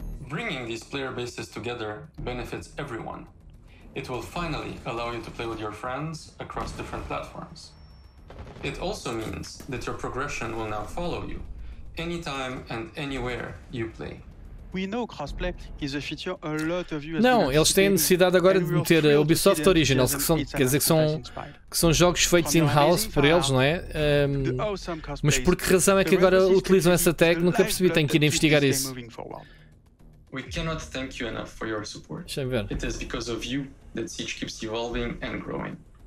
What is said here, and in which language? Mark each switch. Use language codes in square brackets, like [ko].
[en] Bringing these player bases together benefits everyone. It will finally allow you to play with your friends across different platforms. It also means that your progression will now follow you anytime and anywhere you play. We know crossplay is a feature a lot of you. [pt] Não, eles têm necessidade agora de meter Ubisoft Originals, que são, quer dizer que são jogos feitos in-house por eles, não é? Mas por que razão é que agora utilizam essa tag? Nunca percebi, tenho que ir investigar isso. [en] We cannot thank you enough for your support. [pt] Deixa-me ver. [en] It is because of you that Siege keeps evolving and growing.